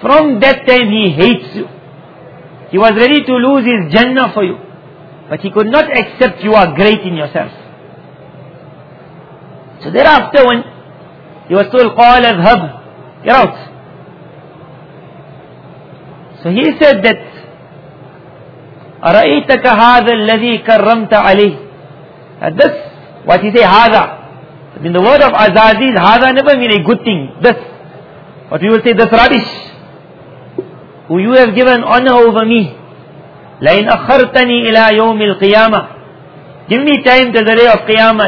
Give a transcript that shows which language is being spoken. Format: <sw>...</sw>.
<en>From that time he hates you. He was ready to lose his Jannah for you. But he could not accept you are great in yourself. So thereafter, when he was told,</en> <ar>قال اذهب,</ar> <en>get out. So he said that,</en> <ar>أَرَأَيْتَكَ هَذَا الَّذِي كَرَّمْتَ عَلَيْهِ.</ar> <en>This, what he say, هَذَا. In the word of Azazil, هَذَا never mean a good thing. This. But we will say, this rubbish. Who you have given honor over me.</en> <ar>لَإِنْ أَخَّرْتَنِي إِلَىٰ يَوْمِ الْقِيَامَةِ.</ar> <en>Give me time to the day of Qiyamah.</en>